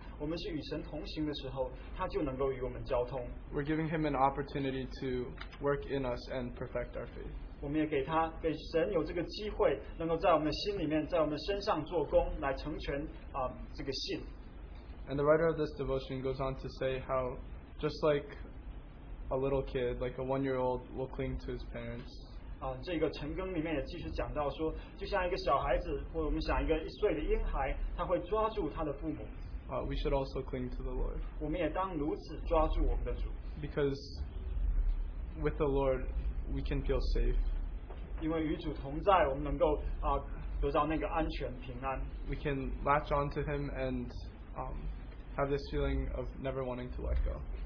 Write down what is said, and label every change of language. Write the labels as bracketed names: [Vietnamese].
[Chinese] 就是当我们与神同行，我们不是走在神的前面，也不是走在神的后面，我们是与神同行的时候，他就能够与我们交通。 [English] We're giving him an opportunity to work in us and perfect our faith. [Chinese] 我们也给他，给神有这个机会，能够在我们心里面，在我们身上做工，来成全这个信。 [English] And the writer of this devotion goes on to say how just like a little kid, like a one-year-old, will cling to his parents. [Chinese] 这个成更里面也继续讲到说，就像一个小孩子，或者我们想一个一岁的婴孩，他会抓住他的父母。 [English] We should also cling to the Lord. [Chinese] 我们也当如此抓住我们的主。 [English] Because with the Lord, we can feel safe. [Chinese] 因为与主同在，我们能够得到那个安全平安。 [English] We can latch onto him and have this feeling of never wanting to let go.